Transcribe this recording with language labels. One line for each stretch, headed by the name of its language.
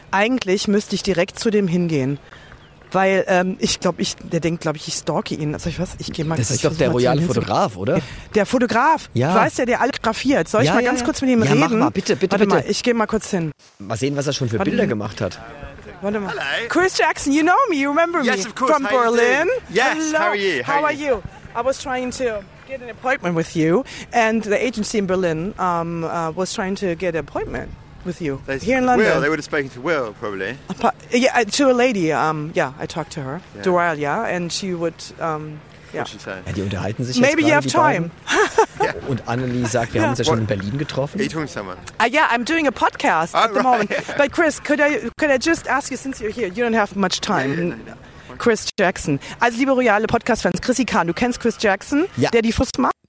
German: Eigentlich müsste ich direkt zu dem hingehen, weil ich glaube, ich stalke ihn. Soll ich was? Ich gehe mal. Das ist doch der royale Fotograf, oder? Der Fotograf. Ja. Du weißt ja, der alle grafiert. Soll ich mal ganz kurz mit ihm reden? Ja, mach mal. Bitte. Warte mal, ich gehe mal kurz hin. Mal sehen, was er schon für Bilder gemacht hat. Warte mal.
English: Hello. Chris Jackson, you know me, you remember me. Yes, of course. From Berlin. Yes, hello. How are you? How are you? I was trying to get an appointment with you, and the agency in Berlin was trying to get an appointment with you. Here in London. Will. They would have spoken to Will, probably. To a lady, I talked to her, yeah. Doralia, yeah, and she would...
German: Ja, die unterhalten sich jetzt gerade, die beiden. Und Annelie sagt, wir haben uns ja schon in Berlin getroffen.
English: Are you talking to someone? I'm doing a podcast at the moment. Yeah. But Chris, could I just ask you, since you're here, you don't have much time. No. Chris Jackson.
German: Also, liebe royale Podcast-Fans, Chrissy Kahn, du kennst Chris Jackson, der die Fuß macht?